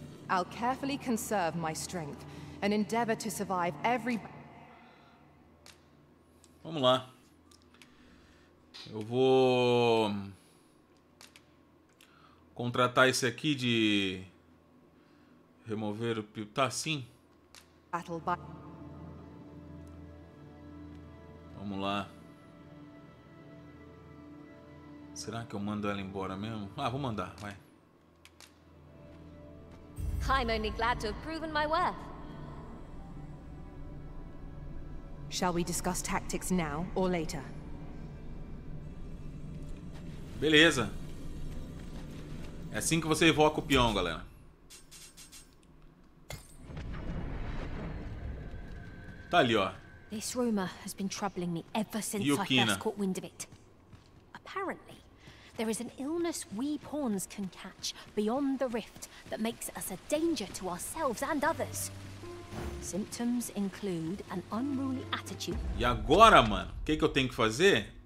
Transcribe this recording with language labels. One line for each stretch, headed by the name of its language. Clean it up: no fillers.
English: I'll carefully conserve my strength and endeavor to survive every.
Portuguese: Vamos lá. Eu vou contratar esse aqui de remover o pio. Tá, sim. Vamos lá. Será que eu mando ela embora mesmo? Ah, vou mandar, vai.
English: I'm only glad to have proven my worth. Shall we discuss tactics now or later?
Portuguese: Beleza. É assim que você evoca o peão, galera. Tá ali, ó.
English: This rumor has been troubling me ever since I first caught wind of it. Apparently, there is an illness we pawns can catch beyond the rift that makes us a danger to ourselves and others. Symptoms include an unruly attitude.
Portuguese: E agora, mano, o que que eu tenho que fazer?